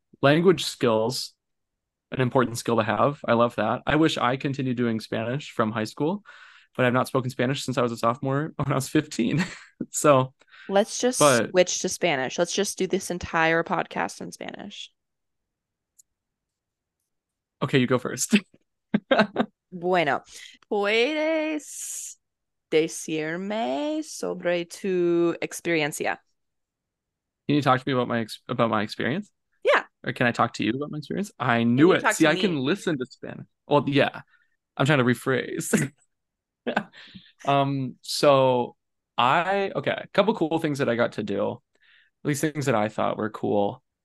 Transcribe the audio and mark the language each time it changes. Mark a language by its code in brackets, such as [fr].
[en] Language skills, an important skill to have. I love that. I wish I continued doing Spanish from high school, but I've not spoken Spanish since I was a sophomore when I was 15. So let's just switch to Spanish. Let's just do this entire podcast in Spanish. Okay, you go first. [es] Bueno, ¿puedes decirme sobre tu experiencia? [en] Can you talk to me about my experience? Yeah. Or can I talk to you about my experience? I knew it. See, I can listen to Spanish. Well, yeah. I'm trying to rephrase. Okay. A couple cool things that I got to do. At least things that I thought were cool.